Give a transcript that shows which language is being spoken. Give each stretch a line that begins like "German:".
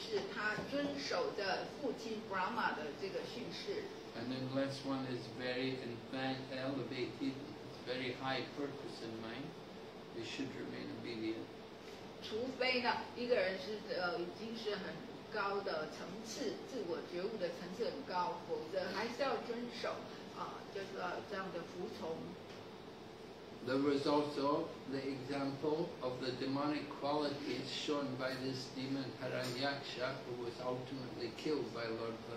Chinese: 如果我们遵循呢这个社会的规范的话呢，这就像是他遵守着父亲 Brahma 的这个训示。
English: And unless one is very elevated, very high purpose in mind, they should remain obedient.
Chinese: 除非呢，一个人是已经是很 高的层次，自我觉悟的层次很高，否则还是要遵守，就是这样的服从。
English: There was also the example of the demonic qualities shown by this demon Hiranyaksha, who was ultimately killed by Lord